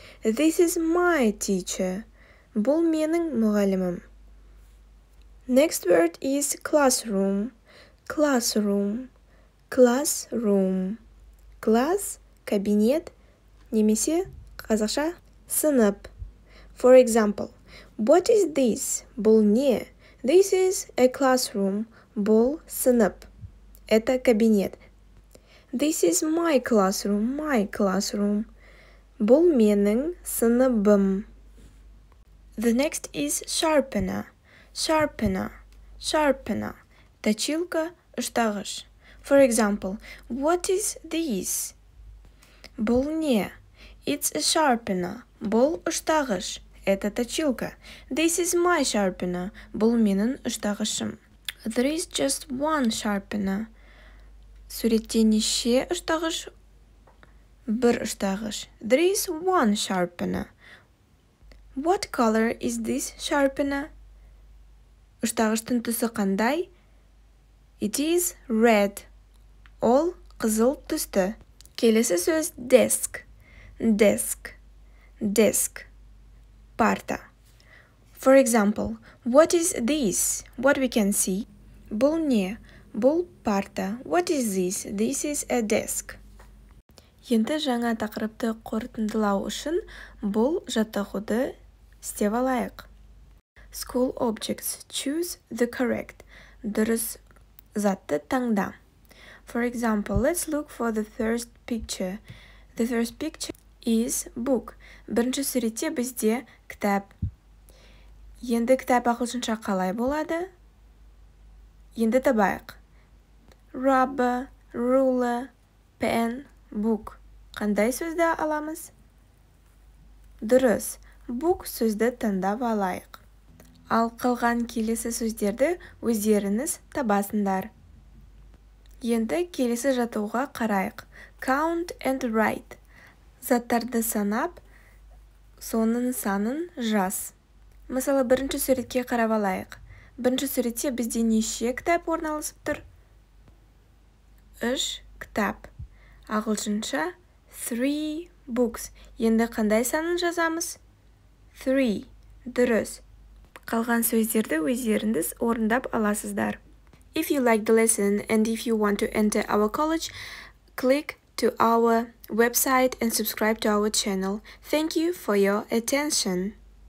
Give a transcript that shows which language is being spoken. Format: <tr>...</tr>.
<en>This is my teacher.</en> <kk>Бұл менің мұғалімім.</kk> <en>Next word is classroom. Classroom. Classroom.</en> <ru>Класс – кабинет,</ru> <kk>немесе қазақша – сынып.</kk> <en>For example, what is this?</en> <kk>Бұл не?</kk> <en>This is a classroom.</en> <kk>Бұл сынып.</kk> <ru>Это кабинет.</ru> <en>This is my classroom. My classroom.</en> <kk>Бұл менің сыныбым.</kk> <en>The next is sharpener. Sharpener. Sharpener.</en> <ru>Точилка,</ru> <kk>ұштағыш.</kk> <en>For example, what is this?</en> <kk>Бұл не?</kk> <en>It's a sharpener.</en> <kk>Бұл ұштағыш.</kk> <ru>Это точилка.</ru> <en>This is my sharpener.</en> <kk>Бұл менің ұштағышым.</kk> <en>There is just one sharpener.</en> <kk>Суретте неше ұштағыш? Бір ұштағыш.</kk> <en>There is one sharpener. What color is this sharpener?</en> <kk>Ұштағыштың түсі қандай?</kk> <en>It is red.</en> <kk>Ол қызыл түсті. Келесі сөз desk.</kk> <en>Desk. Desk. Парта. For example, what is this? What we can see?</en> <kk>Бұл не? Бұл парта.</kk> <en>What is this? This is a desk.</en> <kk>Енді жаңа тақырыпты қорытындылау үшін бұл жаттығуды істеп алайық.</kk> <en>School objects. Choose the correct.</en> <kk>Дұрыс затты таңда.</kk> <en>For example, let's look for the first picture. The first picture is book.</en> <kk>Бірінші суретте бізде кітап. Енді кітап ағылшынша қалай болады? Енді табайық.</kk> <en>Rubber, ruler, pen, book.</en> <kk>Қандай сөзді аламыз? Дұрыс. Book сөзді таңдап алайық. Ал қалған келесі сөздерді өздеріңіз табасындар. Енді келесі жатуға қарайық.</kk> <en>Count and write.</en> <kk>Заттарды санап, соның санын жаз. Мысалы, бірінші суретке қарап алайық. Бірінші суретте бізде неше кітап орналасып тұр? Үш кітап.</kk> <en>Ағылшынша three books.</en> <kk>Енді қандай санын жазамыз?</kk> <en>Three.</en> <kk>Дұрыс. Қалған сөздерді өздеріңіз орындап аласыздар.</kk> <en>If you like the lesson and if you want to enter our college, click to our website and subscribe to our channel. Thank you for your attention.</en>